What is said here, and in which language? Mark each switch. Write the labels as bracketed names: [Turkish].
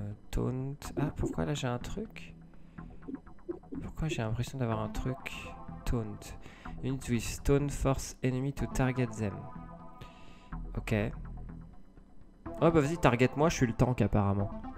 [French] Taunt. Ah, pourquoi là j'ai un truc? Pourquoi j'ai l'impression d'avoir un truc? [English] Taunt. Unit with stone force enemy to target them. Ok. [French] Oh bah vas-y, target-moi, je suis le tank apparemment.